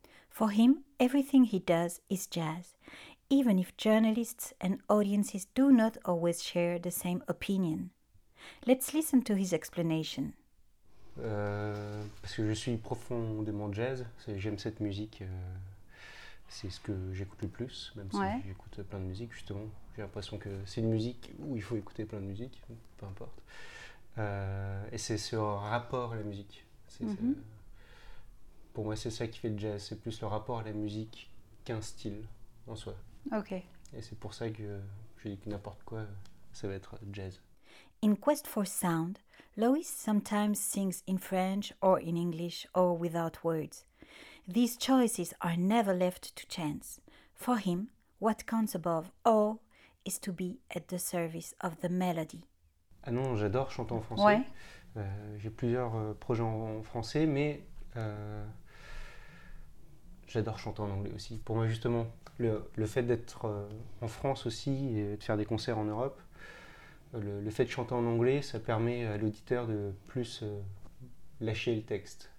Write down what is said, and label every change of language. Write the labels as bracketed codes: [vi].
[en] For him, everything he does is jazz, even if journalists and audiences do not always share the same opinion. Let's listen to his explanation. [fr] Parce que je suis profondément jazz, j'aime cette musique. C'est ce que j'écoute le plus, même ouais. Si j'écoute plein de musique, justement. J'ai l'impression que c'est une musique où il faut écouter plein de musique, peu importe. Et c'est ce rapport à la musique. Pour moi, c'est ça qui fait le jazz. C'est plus le rapport à la musique qu'un style en soi. Okay. Et c'est pour ça que je dis que n'importe quoi, ça va être jazz. [en] In Quest for Sound, Loïs sometimes sings in French or in English or without words. These choices are never left to chance. For him, what counts above all is to be at the service of the melody. [fr] Ah non, j'adore chanter en français. Ouais. J'ai plusieurs projets en français, mais j'adore chanter en anglais aussi. Pour moi, justement, le fait d'être en France aussi et de faire des concerts en Europe, le fait de chanter en anglais, ça permet à l'auditeur de plus lâcher le texte.